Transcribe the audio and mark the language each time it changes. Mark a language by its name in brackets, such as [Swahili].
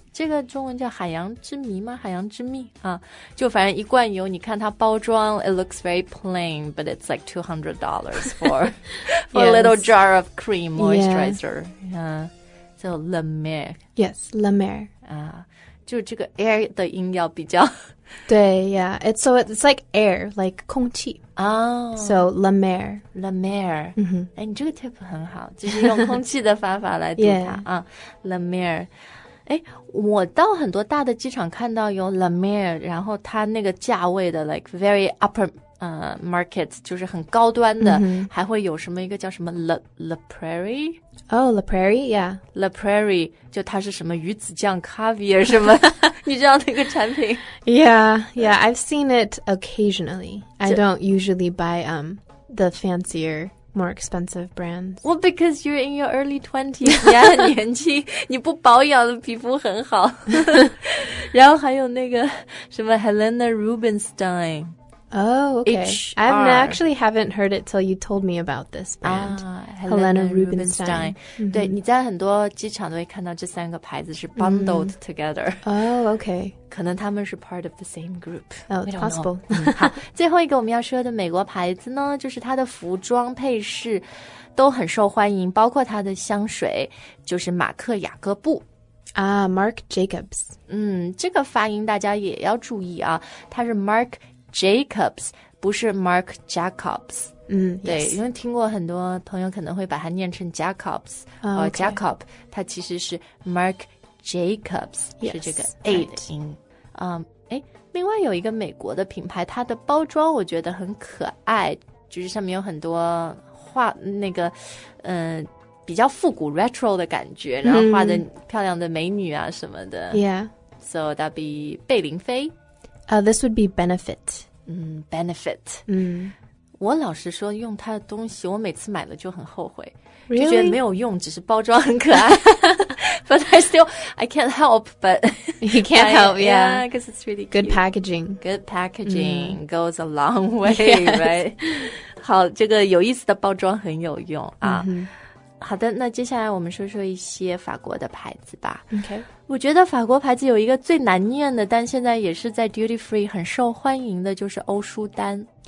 [Chinese] 这个中文叫海洋之谜吗？海洋之谜啊，就反正一罐油，你看它包装 ， [English] it looks very plain, but it's like $200 for for、 a little jar of cream moisturizer. Yeah. So La Mer. Yes, La Mer. [Chinese] 啊，就这个 air 的音要比较。 [English] 对 ，Yeah. It's so it's like air, like 空气。哦、oh, So La Mer La Mer、 mm-hmm. [Chinese] 哎，你这个 tip 很好，就是用空气的方法来读它、 [English] yeah. [Chinese] 啊 ，La Mer。哎，我到很多大的机场看到有 La Mer， 然后它那个价位的 [English] like very upper market， [Chinese] 就是很高端的， mm-hmm. 还会有什么一个叫什么 La Prairie？ [English] Oh, La Prairie, yeah. [Chinese] La Prairie 就它是什么鱼子酱 caviar 什么，你知道那个产品 [English] ？Yeah, yeah. I've seen it occasionally. I don't usually buy the fancier. More expensive brands. Well, because you're in your early 20s. [Chinese] 你还很年轻，你不保养的皮肤很好。然后还有那个什么 Helena Rubinstein. [English] Oh, okay. HR. I actually haven't heard it till you told me about this brand.、 Ah, Helena Rubinstein. Rubinstein.、Mm-hmm. [Chinese] 对，你在很多机场都会看到这三个牌子是 bundled、mm-hmm. [English] together. Oh, okay. [Chinese] 可能他们是 [English] part of the same group. Oh, it's possible. 、 [Chinese] 嗯、好，最后一个我们要说的美国牌子呢，就是它的服装配饰都很受欢迎，包括它的香水，就是马克雅各布。 [English] Marc Jacobs. [Chinese] 嗯，这个发音大家也要注意啊，它是 Marc Jacobs, 不是 Marc Jacobs. 嗯，对、 [English] yes. [Chinese] 因为听过很多朋友可能会把它念成 Jacobs,、 [English] okay. [Chinese] Jacob, 它其实是 Marc Jacobs,、 [English] yes. [Chinese] 是这个 A 的音。另外有一个美国的品牌它的包装我觉得很可爱就是上面有很多画那个比较复古 retro 的感觉然后画的漂亮的美女啊什么的。 [English] Mm. Yeah. So that'd be 贝玲妃。 This would be Benefit. Benefit. [Chinese] 我老实说用它的东西我每次买了就很后悔。 [English] Really? [Chinese] 就觉得没有用只是包装很可爱。 [English] but I still, I can't help, but... You can't I, help, yeah. Yeah, because it's really good. Good packaging. Good packaging、mm. goes a long way,、 yes. right? [Chinese] 好这个有意思的包装很有用啊。 Mm-hmm. 好的那接下来我们说说一些法国的牌子吧。 [English] Okay. [Chinese] 我觉得法国牌子有一个最难念的但现在也是在 duty free 很受欢迎的就是欧舒丹